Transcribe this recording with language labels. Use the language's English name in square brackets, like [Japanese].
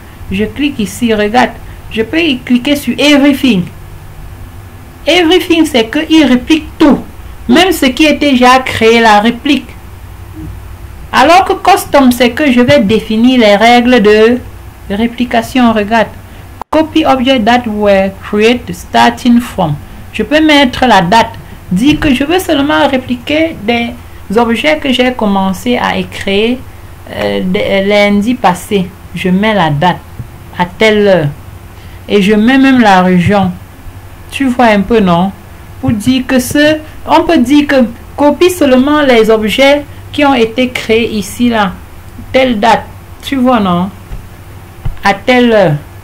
[French] Je clique ici, regarde. Je peux y cliquer sur Everything. Everything, c'est qu'il réplique tout. Même ce qui était déjà créé, la réplique. Alors que custom, c'est que je vais définir les règles de réplication. Regarde. [English] Copy object that were created starting from. [French] Je peux mettre la date. Dire que je veux seulement répliquer des objets que j'ai commencé à écrire lundi passé. Je mets la date à telle heure. Et je mets même la région. Tu vois un peu, non? Pour dire que ce... On peut dire que copie seulement les objets qui ont été créés ici là, telle date, tu vois, non, à telle heure.